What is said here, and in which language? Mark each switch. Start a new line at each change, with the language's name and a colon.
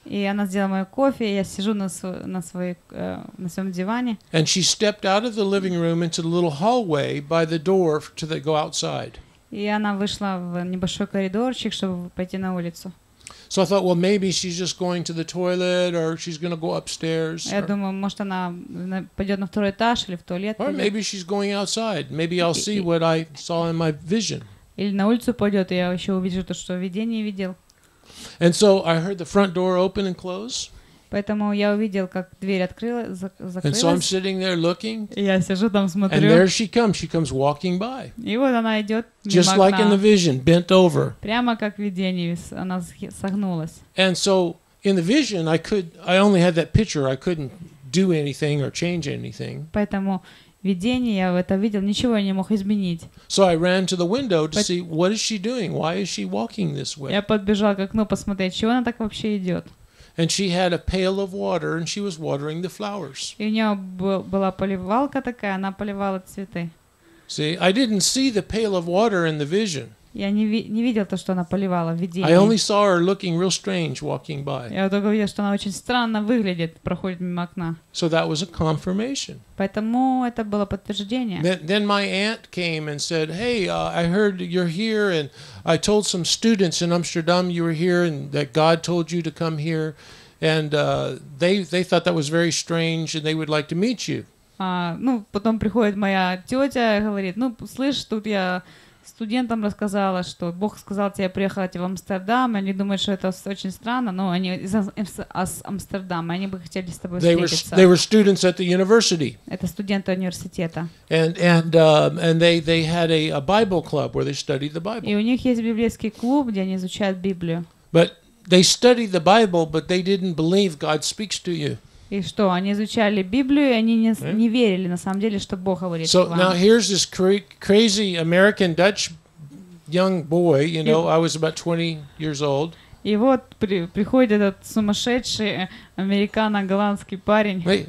Russian: И она сделала мой кофе, я сижу на своем диване.
English: And she stepped out of the living room into the little hallway by the door to go outside.
Russian: И она вышла в небольшой коридорчик, чтобы пойти на улицу.
English: So I thought, well, maybe she's just going to the toilet or she's going to go upstairs.
Russian: Я думаю, может она пойдет на второй этаж или в туалет.
English: Or maybe she's going outside. Maybe I'll see what I saw in my vision.
Russian: Или на улицу пойдет, и я еще увижу то, что в видении видел.
English: And so I heard the front door open and close.
Russian: Поэтому я увидел, как дверь открылась, закрылась.
English: And so I'm sitting there looking.
Russian: Я сижу там, смотрю.
English: And there she comes. She comes walking by.
Russian: И вот она идет мимо
English: Just
Russian: окна.
English: Like in the vision, bent over.
Russian: Прямо как в видении, она согнулась.
English: And so in the vision, I only had that picture. I couldn't do anything or change anything.
Russian: Поэтому в видении я это видел, ничего я не мог изменить.
English: So I ran to the window to see what is she doing? Why is she walking this way?
Russian: Я подбежал к окну посмотреть, чего она так вообще идет.
English: And she had a pail of water, and she was watering the flowers.
Russian: И у нее была поливалка такая, она поливала цветы.
English: See, I didn't see the pail of water in the vision.
Russian: Я не видел то, что она поливала в видении.
English: I only saw her looking real strange walking by.
Russian: Я только видел, что она очень странно выглядит, проходит мимо окна.
English: So that was a confirmation.
Russian: Поэтому это было подтверждение.
English: Then my aunt came and said, "Hey, I heard you're here, and I told some students in Amsterdam you were here, and that God told you to come here, and they thought that was very strange, and they would like to meet you."
Russian: Ну потом приходит моя тетя и говорит, ну слышь, тут я студентам рассказала, что Бог сказал тебе приехать в Амстердам, и они думают, что это очень странно, но они из Амстердама, они бы хотели с тобой встретиться.
English: They were students at the university.
Russian: Это студенты университета.
English: And they had a Bible club where they studied the Bible.
Russian: И у них есть библейский клуб, где они изучают Библию.
English: But they studied the Bible, but they didn't believe God speaks to you.
Russian: И что, они изучали Библию, и они не верили на самом деле, что Бог говорит к вам.
English: Now here's this crazy American Dutch young boy, you know, I was about 20 years old.
Russian: И вот приходит этот сумасшедший американо-голландский парень.